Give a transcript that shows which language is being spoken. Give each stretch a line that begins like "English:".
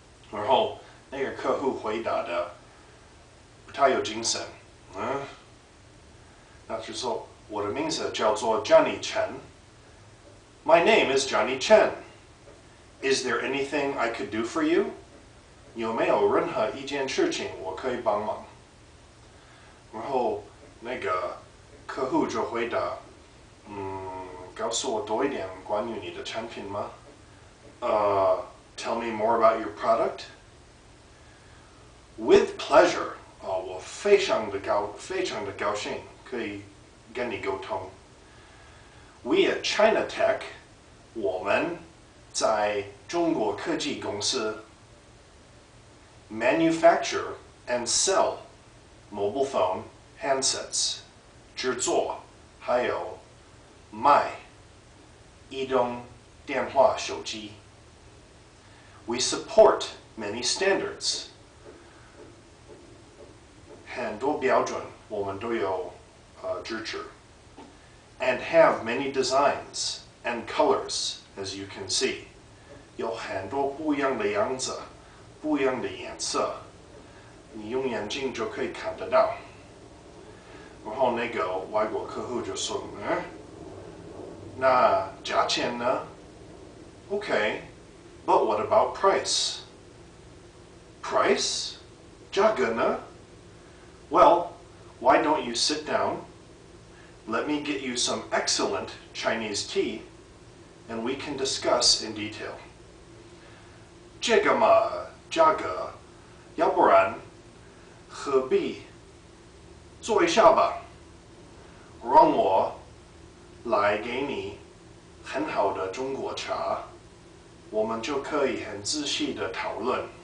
Chinese: 然后那个客户回答的不太有精神，那就说我的名字叫做 Johnny Chen。
English: My name is Johnny Chen. Is there anything I could do for you?
Chinese: 有没有任何一件事情我可以帮忙？然后那个客户就回答，告诉我多一点关于你的产品吗？
English: Tell me more about your product. With pleasure.
Chinese: 啊，我非常的高兴可以跟你沟通。
English: We at Chinatech.
Chinese: 我们在中国科技公司
English: manufacture and sell mobile phone handsets,
Chinese: 制作还有卖移动电话手机。
English: We support many standards,
Chinese: 很多标准我们都有支持
English: and have many designs. And colors, as you can see.
Chinese: 有很多不一样的样子，不一样的颜色，你用眼睛就可以看得到。然后那个外国客户就说，那价钱呢？
English: Okay, but what about price? Price?
Chinese: 价格呢？
English: Well, why don't you sit down? Let me get you some excellent Chinese tea. And we can discuss in detail.
Chinese: 这个嘛，价格，要不然何必坐一下吧？让我来给你很好的中国茶，我们就可以很仔细的讨论。